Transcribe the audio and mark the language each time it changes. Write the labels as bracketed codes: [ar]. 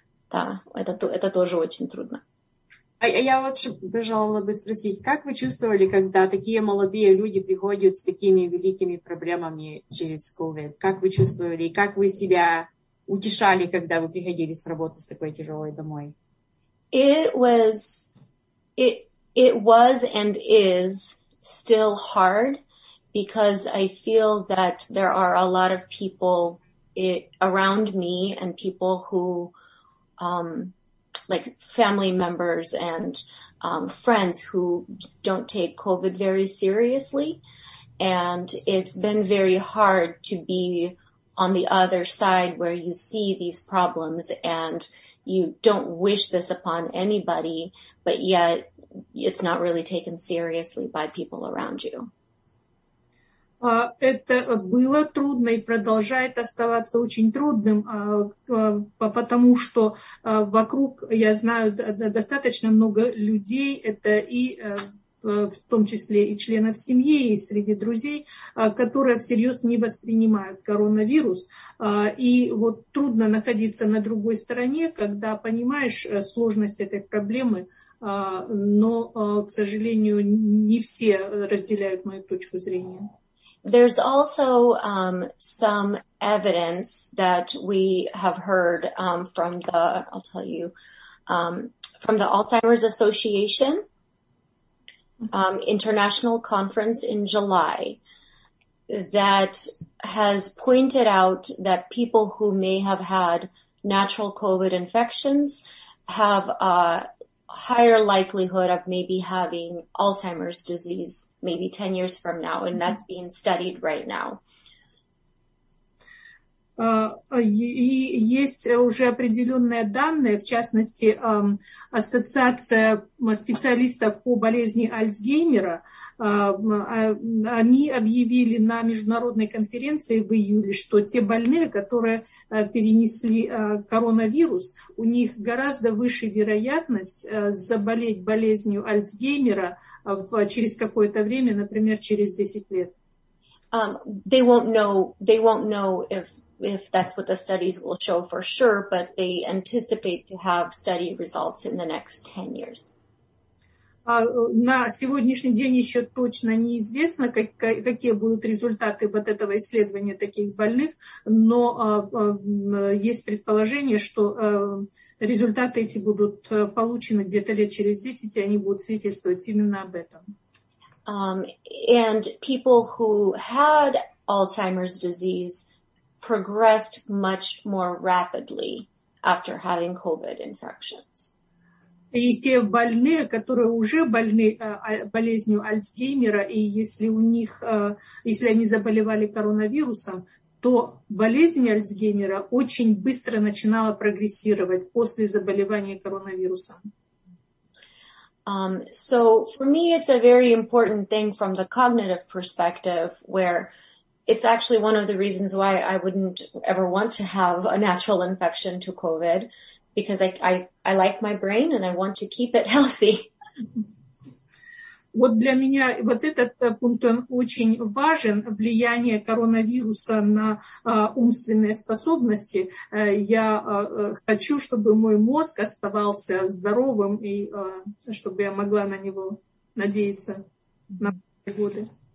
[ru] Да, это тоже очень трудно. А я вот пожелала бы спросить, как вы чувствовали, когда такие молодые люди приходят с такими великими проблемами через COVID? Как вы чувствовали, и как вы себя утешали, когда вы приходили с работы с такой тяжелой домой? [en] It was and is still hard because I feel that there are a lot of people around me and people who, like family members and friends who don't take COVID very seriously. And it's been very hard to be on the other side where you see these problems and you don't wish this upon anybody, but yet it's not really taken seriously by people around you. [ru] Это было трудно и продолжает оставаться очень трудным, потому что вокруг я знаю достаточно много людей, это и в том числе и членов семьи, и среди друзей, которые всерьез не воспринимают коронавирус. И вот трудно находиться на другой стороне, когда понимаешь сложность этой проблемы, но, к сожалению, не все разделяют мою точку зрения. [en] There's also some evidence that we have heard from the, I'll tell you, from the Alzheimer's Association International Conference in July that has pointed out that people who may have had natural COVID infections have a higher likelihood of maybe having Alzheimer's disease maybe 10 years from now, and that's being studied right now. [ru] И есть уже определенные данные, в частности, ассоциация специалистов по болезни Альцгеймера, они объявили на международной конференции в июле, что те больные, которые перенесли коронавирус, у них гораздо выше вероятность заболеть болезнью Альцгеймера через какое-то время, например, через 10 лет. [en] They won't know if that's what the studies will show for sure, but they anticipate to have study results in the next 10 years. [ru] На сегодняшний день еще точно неизвестно, какие будут результаты вот этого исследования таких больных, но есть предположение, что результаты эти будут получены где-то лет через 10, и они будут свидетельствовать именно об этом. [en] And people who had Alzheimer's disease progressed much more rapidly after having COVID infections. [ru] И те больные, которые уже больны болезнью Альцгеймера, и если у них, если они заболевали коронавирусом, то болезнь Альцгеймера очень быстро начинала прогрессировать после заболевания коронавирусом. [en] So for me, it's a very important thing from the cognitive perspective, where it's actually one of the reasons why I wouldn't ever want to have a natural infection to COVID, because I like my brain and I want to keep it healthy. [ru] Вот для меня вот этот пункт он очень важен, влияние коронавируса на умственные способности. Я хочу, чтобы мой мозг оставался здоровым и чтобы я могла на него надеяться на годы.